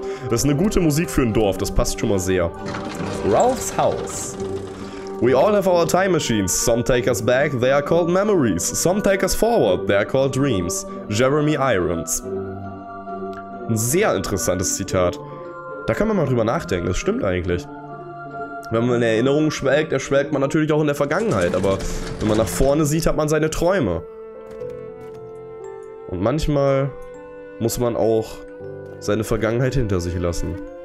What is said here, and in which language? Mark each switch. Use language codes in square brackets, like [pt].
[de] Das ist eine gute Musik für ein Dorf, das passt schon mal sehr. [en] Ralphs Haus. We all have our time machines. Some take us back, they are called memories. Some take us forward, they are called dreams. [de] Jeremy Irons. Ein sehr interessantes Zitat. Da kann man mal drüber nachdenken, das stimmt eigentlich. Wenn man in Erinnerungen schwelgt, erschwelgt man natürlich auch in der Vergangenheit. Aber wenn man nach vorne sieht, hat man seine Träume. Und manchmal muss man auch seine Vergangenheit hinter sich lassen.